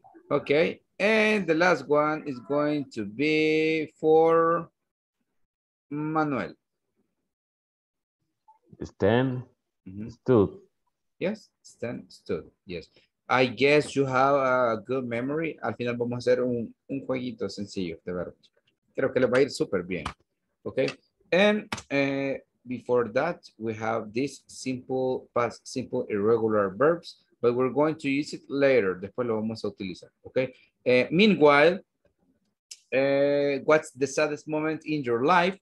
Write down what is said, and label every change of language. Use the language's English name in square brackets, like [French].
[English] Okay, and the last one is going to be for Manuel. Stand, mm-hmm. Stood. Yes, stand, stood. Yes, I guess you have a good memory. [Spanish] Al final vamos a hacer un jueguito sencillo, de verdad. Creo que le va a ir súper bien. [English] Okay, and before that, we have this simple, past simple, irregular verbs, but we're going to use it later. [Spanish] Después lo vamos a utilizar, [English] okay? Meanwhile, what's the saddest moment in your life?